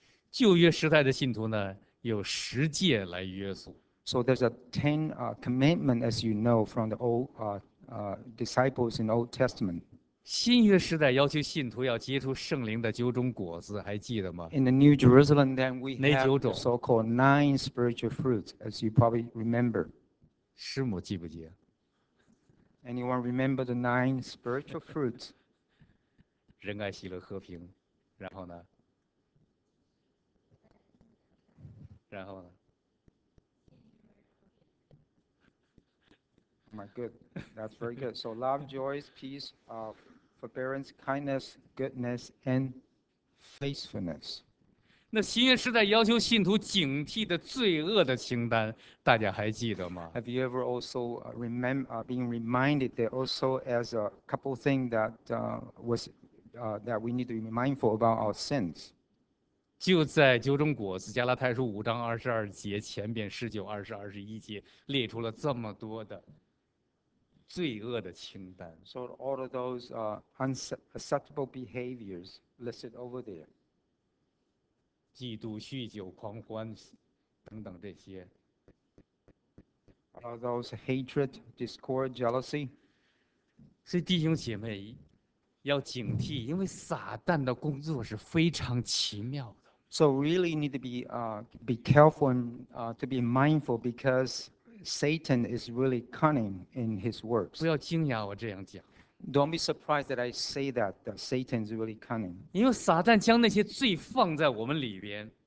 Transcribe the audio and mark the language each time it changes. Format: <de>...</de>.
<zh>旧约时代的信徒呢，有十诫来约束。</zh> <en>So there's a ten commandment, as you know, from the old disciples in Old Testament.</en> <zh>新约时代要求信徒要结出圣灵的九种果子，还记得吗</zh> <en>？In the New Jerusalem, then we have the so-called nine spiritual fruits, as you probably remember.</en> <zh>师母记不记</zh> <en>？Anyone remember the nine spiritual fruits?</en> <zh>仁爱喜乐和平，然后呢？然后呢</zh> <en>？My good, that's very good. So love, joy, peace, forbearance, kindness, goodness, and faithfulness.</en> <zh>那新约时代要求信徒警惕的罪恶的清单，大家还记得吗</zh> <en>？Have you ever also been reminded that also as a couple thing that was that we need to be mindful about our sins.</en> <zh>就在九种果子加拉太书五章二十二节前边十九、二十、二十一节列出了这么多的罪恶的清单。</zh> <en>So all of those unacceptable behaviors listed over there.</en> <zh>嫉妒、酗酒、狂欢等等这些。</zh> <en>All those hatred, discord, jealousy.</en> <zh>所以弟兄姐妹。要警惕，因为撒旦的工作是非常奇妙的。</zh> <en>So really need to be careful and to be mindful because Satan is really cunning in his works.</en> <zh>不要惊讶我这样讲。</zh> <en>Don't be surprised that I say that Satan is really cunning.</en> <zh>因为撒旦将那些罪放在我们里边。</zh>